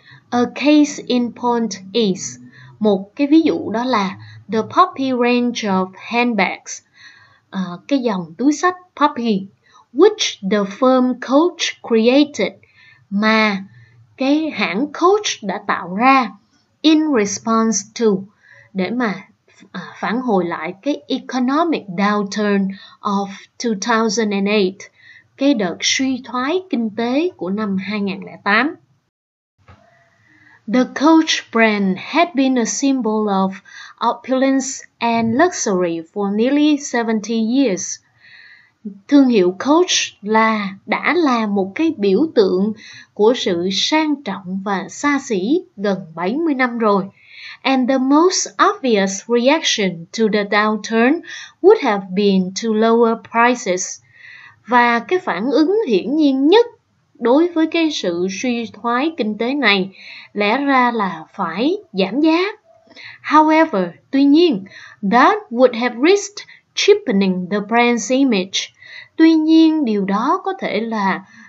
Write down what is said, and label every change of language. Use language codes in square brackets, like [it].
[en] A case in point is, [vi] một cái ví dụ đó là [en] the Poppy range of handbags, [vi] cái dòng túi sách Poppy, [en] which the firm Coach created, [vi] mà cái hãng Coach đã tạo ra [en] in response to, [vi] để mà phản hồi lại cái [en] economic downturn of 2008, [vi] cái đợt suy thoái kinh tế của năm 2008. [en] The Coach brand had been a symbol of opulence and luxury for nearly 70 years. [vi] Thương hiệu Coach đã là một cái biểu tượng của sự sang trọng và xa xỉ gần 70 năm rồi. [en] And the most obvious reaction to the downturn would have been to lower prices. [vi] Và cái phản ứng hiển nhiên nhất đối với cái sự suy thoái kinh tế này lẽ ra là phải giảm giá. [en] However, [vi] tuy nhiên, [en] that would have risked cheapening the brand's image. [vi] Tuy nhiên, điều đó có thể là